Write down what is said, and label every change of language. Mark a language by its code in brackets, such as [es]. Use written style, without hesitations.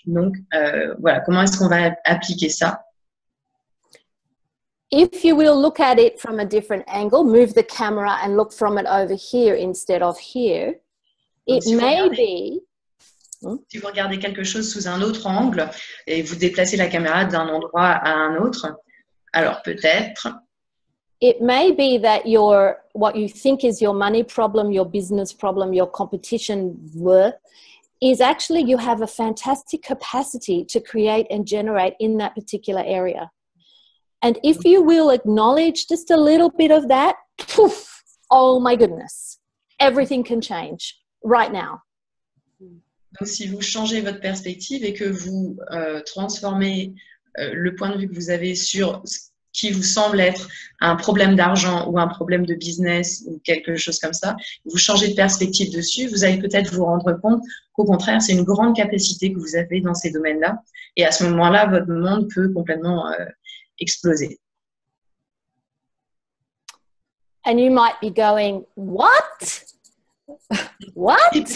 [fr] Donc, voilà, comment est-ce qu'on va appliquer ça? [en] If you will look at it from a different angle, move the camera and look from it over here instead of here, it may be... [fr] Si vous regardez quelque chose sous un autre angle et vous déplacez la caméra d'un endroit à un autre, alors peut-être... [en] It may be that your what you think is your money problem, your business problem, your competition worth is actually you have a fantastic capacity to create and generate in that particular area. And if you will acknowledge just a little bit of that, poof, oh my goodness, everything can change right now. [fr] Donc, si vous changez votre perspective et que vous transformez le point de vue que vous avez sur ce qui vous semble être un problème d'argent ou un problème de business ou quelque chose comme ça, vous changez de perspective dessus, vous allez peut-être vous rendre compte qu'au contraire, c'est une grande capacité que vous avez dans ces domaines-là. Et à ce moment-là, votre monde peut complètement exploser. [en] And you might be going, what? What?